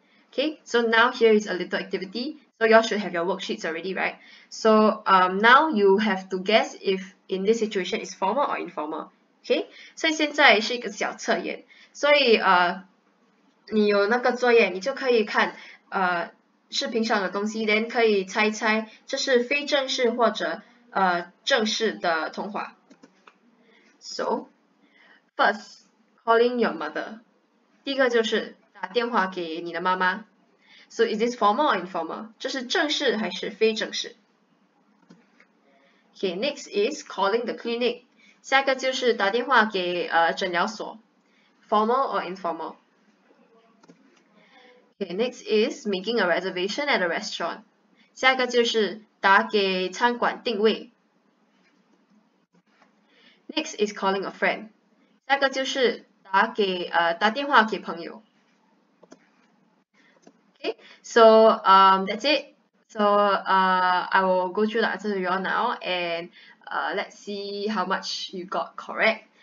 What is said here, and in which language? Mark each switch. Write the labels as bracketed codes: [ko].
[en] Okay, so now here is a little activity. So you all should have your worksheets already, right? So now you have to guess if in this situation is formal or informal. [zh] Okay, 所以现在是一个小测验，所以你有那个作业，你就可以看视频上的东西， then 可以猜一猜这是非正式或者正式的通话。 [en] SoFirst, calling your mother. [zh] 第一个就是打电话给你的妈妈。 [en] So is this formal or informal? [zh] 这是正式还是非正式？ [en] Okay, next is calling the clinic. [zh] 下一个就是打电话给诊疗所。 [en] Formal or informal? Okay, next is making a reservation at a restaurant. [zh] 下一个就是打给餐馆定位。 [en] Next is calling a friend. [zh] 那个就是打电话给朋友。 [en] Okay, so that's it. So I will go through the answers to you all now, and let's see how much you got correct.